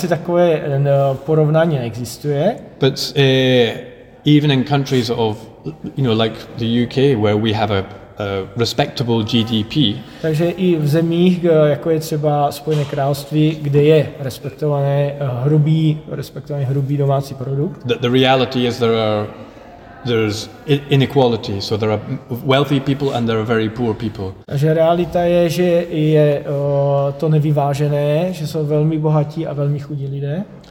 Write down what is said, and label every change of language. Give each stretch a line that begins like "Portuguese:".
Czech: asi takové porovnání existuje.
English: But even in countries of, you know, like the UK, where we have a respectable GDP.
Czech: Takže i v zemích, jako je třeba Spojené království, kde je respektovaný hrubý domácí produkt.
English: The reality is there's inequality, so there are wealthy people and there are very poor people.
Czech: Takže realita je, že je to nevyvážené, že jsou velmi bohatí a velmi chudí lidé.